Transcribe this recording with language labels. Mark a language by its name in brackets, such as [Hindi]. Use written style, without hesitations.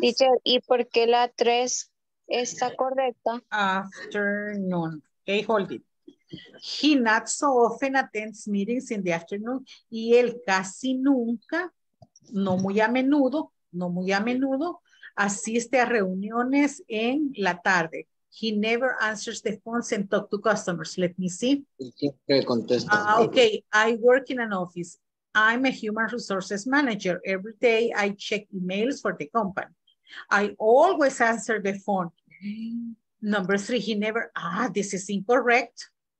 [Spanish] Teacher, ¿y por qué la tres está correcta? [English] Afternoon. Okay, hold it. He not so often attends meetings in the afternoon. [Spanish] Y él casi nunca, no muy a menudo, asiste a reuniones en la tarde. [English] He never answers the phones and talk to customers. Let me see. [Spanish] Siempre contesta. [English] Okay, I work in an office. I'm a human resources manager. Every day I check emails for the company. I always answer the phone. Number three, he never, this is incorrect.